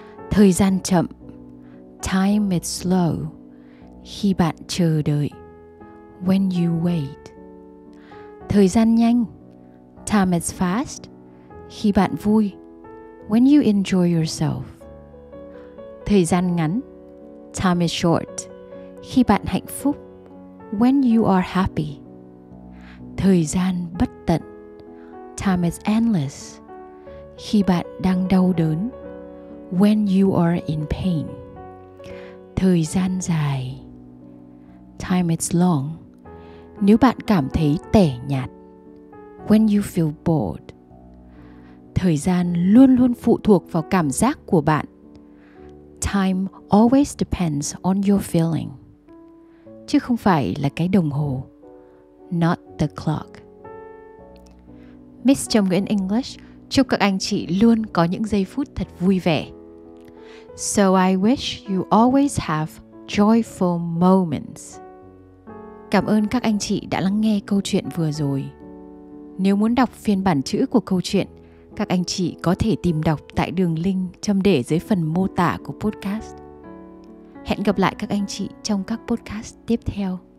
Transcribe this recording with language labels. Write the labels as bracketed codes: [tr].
[vi] Thời gian chậm, [en] time is slow. [vi] Khi bạn chờ đợi, [en] when you wait. [vi] Thời gian nhanh, [en] time is fast. [vi] Khi bạn vui, [en] when you enjoy yourself. [vi] Thời gian ngắn, [en] time is short. [vi] Khi bạn hạnh phúc, [en] when you are happy. [vi] Thời gian bất tận, [en] time is endless. [vi] Khi bạn đang đau đớn, [en] when you are in pain. [vi] Thời gian dài, [en] time is long. [vi] Nếu bạn cảm thấy tẻ nhạt, [en] when you feel bored. [vi] Thời gian luôn luôn phụ thuộc vào cảm giác của bạn. [en] Time always depends on your feeling. [vi] Chứ không phải là cái đồng hồ. [en] Not the clock. [vi] Miss Trâm Nguyễn English chúc các anh chị luôn có những giây phút thật vui vẻ. [en] So I wish you always have joyful moments. [vi] Cảm ơn các anh chị đã lắng nghe câu chuyện vừa rồi. Nếu muốn đọc phiên bản chữ của câu chuyện, các anh chị có thể tìm đọc tại đường link Trâm để dưới phần mô tả của podcast. Hẹn gặp lại các anh chị trong các podcast tiếp theo.